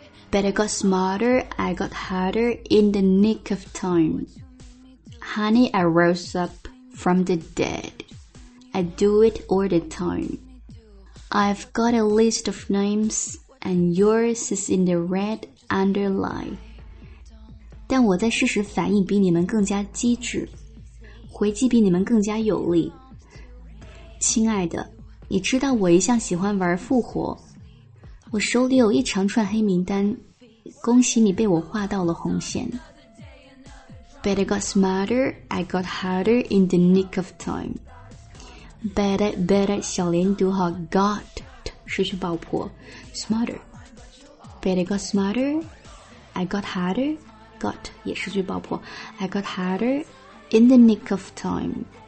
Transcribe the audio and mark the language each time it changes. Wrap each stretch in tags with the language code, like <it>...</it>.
<en>But I got smarter, I got harder in the nick of time. Honey, I rose up from the deadI do it all the time. I've got a list of names, and yours is in the red underline.</en> <zh>但我在事实反应比你们更加机智，回击比你们更加有力。亲爱的，你知道我一向喜欢玩复活。我手里有一长串黑名单，恭喜你被我划到了红线。</zh> <en>But I got smarter, I got harder in the nick of time.</en> <zh>Better, 小连读哈 got 失去爆破 smarter,</zh> <en>better got smarter, I got harder, got</en> <zh>也失去爆破</zh> <en>I got harder in the nick of time,</en>